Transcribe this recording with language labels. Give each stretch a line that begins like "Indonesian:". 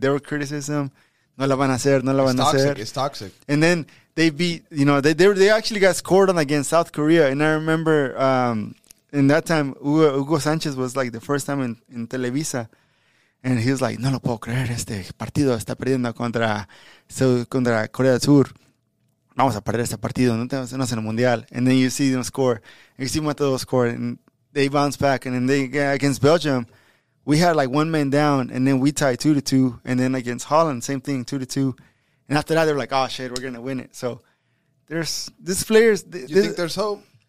English: There were criticism.
Spanish: No la van a hacer. No la van a hacer.
English: It's toxic. And then they beat they actually got scored on against South Korea. And I remember in that time Hugo Sanchez was the first time in Televisa, and he was like,
Spanish: "No lo puedo creer, este partido está perdiendo contra." So contra Corea del Sur, vamos a perder este partido, no tenemos en el Mundial.
English: And then you see them score. And you see Matador score, and they bounce back. And then they against Belgium, we had one man down, and then we tied 2-2. And then against Holland, same thing, 2-2. And after that, they're like, oh, shit, we're going to win it. So there's these players. You think there's hope?